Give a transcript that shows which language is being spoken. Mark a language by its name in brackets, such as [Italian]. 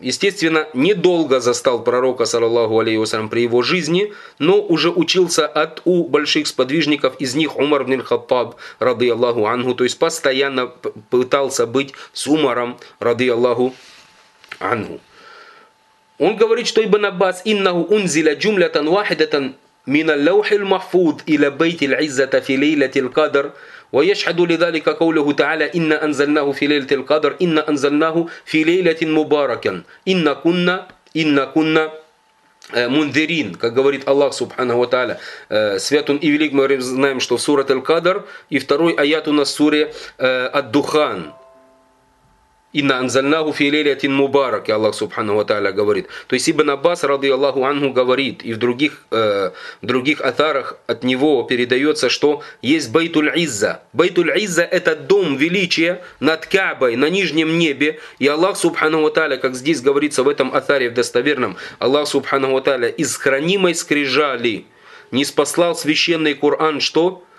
[Russian] Естественно, недолго застал пророка, саллаллаху алейхи вассалям, при его жизни, но уже учился от у больших сподвижников, из них Умар ибн аль-Хаттаб, ради Аллаху ангу, то есть постоянно пытался быть с Умаром, ради Аллаху ангу. Он говорит, что Ибн Аббас, [Arabic] «Иннаху унзиля джумлятан вахидатан мина лаухил махфуд иля бейтил иззата фи лейлятил кадр». ويشهد لذلك قوله تعالى إن أنزلناه في ليلة القدر إن أنزلناه في ليلة مباركة إن كنا منذرين. [Russian] Как говорит Аллах سبحانه وتعالى, свят он и велик, мы знаем, что в суре Аль-Кадр и второй аят у нас в суре Ад-Духан. [Arabic] إن أنزلناه في ليلة مباركة. [Russian] Аллах سبحانه وتعالى говорит. То есть Ибн Аббас رضي الله عنه говорит, и в других атарах от него передается, что есть Байтуль-Изза. Байтуль-Изза — это дом величия над Каабой, на нижнем небе. И Аллах سبحانه وتعالى, как здесь говорится в этом атаре в достоверном, Аллах سبحانه وتعالى из хранимой скрижали ниспослал священный Коран, что?